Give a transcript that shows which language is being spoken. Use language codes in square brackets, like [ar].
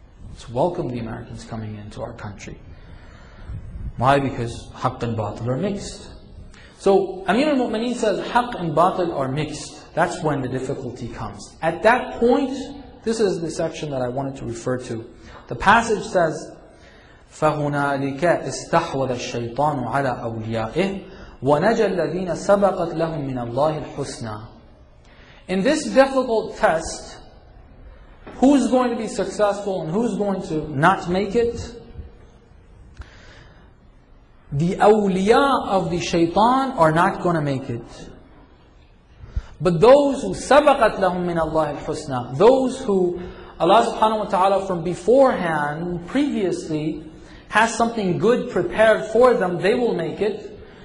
[en] Let's welcome the Americans coming into our country. Why? Because haqq and batil are mixed. So Amir al-Mu'mineen says, haqq and batil are mixed. That's when the difficulty comes. At that point, this is the section that I wanted to refer to. The passage says, [ar] فَهُنَالِكَ اسْتَحْوَذَ الشَّيْطَانُ عَلَىٰ أَوْلِيَائِهِ وَنَجَى الَّذِينَ سَبَقَتْ لَهُمْ مِنَ اللَّهِ الْحُسْنَىٰ. [en] In this difficult test, who's going to be successful and who's going to not make it? The awliya of the shaitan are not going to make it. But those who [ar] sabaqat lahum min Allah al-husna, [en] those who Allah subhanahu wa ta'ala from beforehand, previously, has something good prepared for them, they will make it.